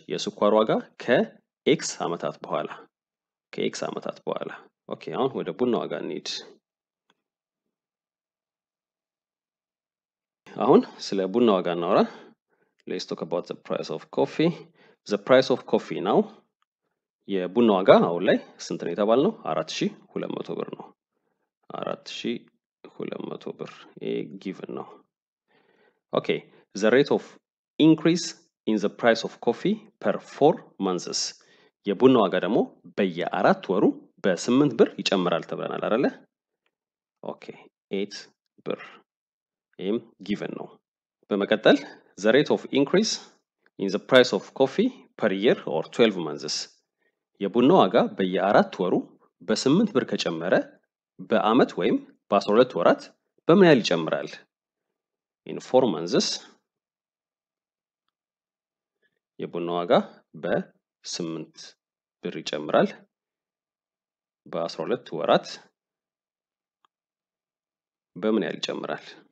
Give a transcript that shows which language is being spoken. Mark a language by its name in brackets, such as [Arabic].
[Amharic] የስኳር ዋጋ ከX አመታት በኋላ ከX አመታት በኋላ። ኦኬ አሁን ወደ ቡና ዋጋ እንሂድ። አሁን ስለ ቡና ዋጋ እናወራ። [English] Let's talk about the price of coffee. The price of coffee now. [Amharic] የቡና ዋጋ አሁን ላይ ስንት ነው የተባለው? 4200 ብር ነው። 4200 ብር ይሄ given ነው። [English] Okay, the rate of increase in the price of coffee per 4 months. [Amharic] የቡና ዋጋ ደግሞ በየአራት ወሩ በ8 ብር ይጨምራል ተብለናል አይደለ? [English] Okay, [Amharic] 8 ብር ይሄም given ነው። በመቀጠል [English] the rate of increase in the price of coffee per year or 12 months. [Amharic] የቡና ዋጋ በየአራት ወሩ በ8 ብር ከጨመረ በአመት ወይም በ12 ወራት በምን ያህል ይጨምራል? [English] In 4 months [Amharic] የቡና ዋጋ በ8 ብር ይጨምራል። በ12 ወራት በምን ያህል ይጨምራል?